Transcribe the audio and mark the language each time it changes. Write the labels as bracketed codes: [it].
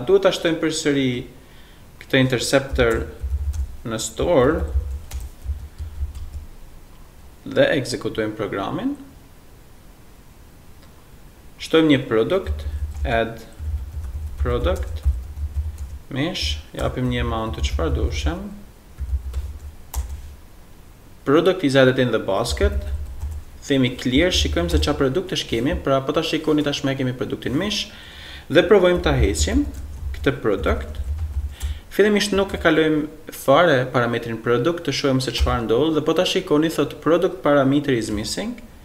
[sq] Duhet ta shtojmë përsëri këtë interceptor në store dhe ekzekutojmë programin. Shtojmë një product, [en] add product. [sq] Mish, japim një amount të çfarë dushëm. [en] Product is added in the basket. [sq] Themi clear, shikojmë se çfarë produkt është kemi, pra po ta shikoni tashmë kemi produktin mish dhe provojmë ta heqim këtë product. Fillimisht nuk e kalojmë fare parametrin product, të shohim se çfarë ndodh dhe po ta shikoni thot [en] product parameter is missing.